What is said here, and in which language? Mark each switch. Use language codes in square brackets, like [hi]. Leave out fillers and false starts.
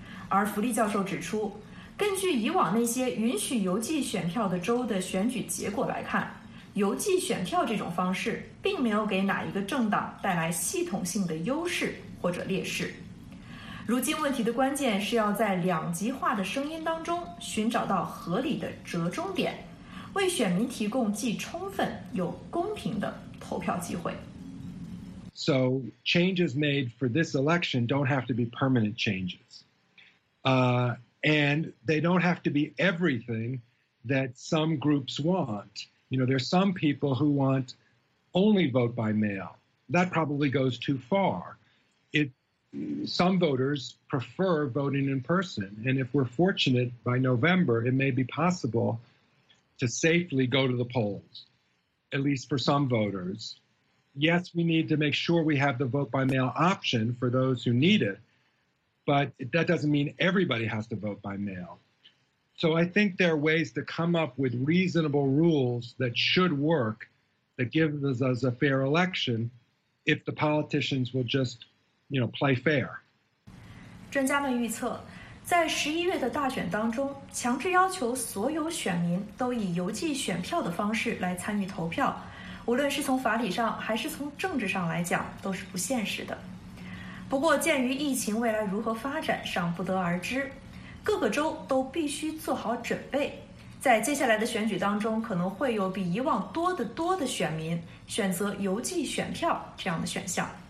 [zh] 而弗利教授指出，根据以往那些允许邮寄选票的州的选举结果来看，邮寄选票这种方式并没有给哪一个政党带来系统性的优势或者劣势。如今问题的关键是要在两极化的声音当中寻找到合理的折中点，为选民提供既充分又公平的投票机会。 [en] So changes made for this election don't have to be permanent changes. And they don't have to be everything that some groups want. You know, there are some people who want only vote by mail. That probably goes too far. Some voters prefer voting in person. And if we're fortunate by November, it may be possible to safely go to the polls, at least for some voters. Yes, we need to make sure we have the vote by mail option for those who need it. But that doesn't mean everybody has to vote by mail. So I think there are ways to come up with reasonable rules that should work, that gives us a fair election, if the politicians will just, you know, play fair. [zh] 专家们预测，在11月的大选当中，强制要求所有选民都以邮寄选票的方式来参与投票，无论是从法理上还是从政治上来讲，都是不现实的。不过鉴于疫情未来如何发展尚不得而知，各个州都必须做好准备，在接下来的选举当中可能会有比以往多得多的选民选择邮寄选票这样的选项。